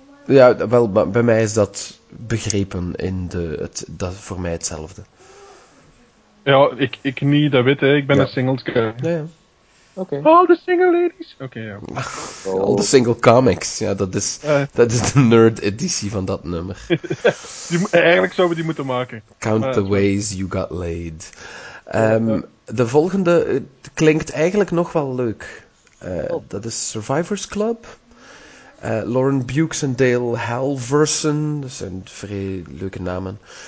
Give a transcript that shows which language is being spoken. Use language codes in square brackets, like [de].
[nl] Ja, wel, bij mij is dat begrepen in dat voor mij hetzelfde. Ja, ik niet, dat weet ik ben een [en] singles guy. [nl] Ja, ja. Okay. [en] All the single ladies. Okay, yeah. All the single comics. [nl] Ja, dat is de nerd editie van dat nummer. Eigenlijk zouden we die moeten maken. [en] Count the ways you got laid. [nl] De volgende klinkt eigenlijk nog wel leuk. Dat is Survivors Club. Lauren Bukes en Dale Halverson. Dat zijn vrij leuke namen.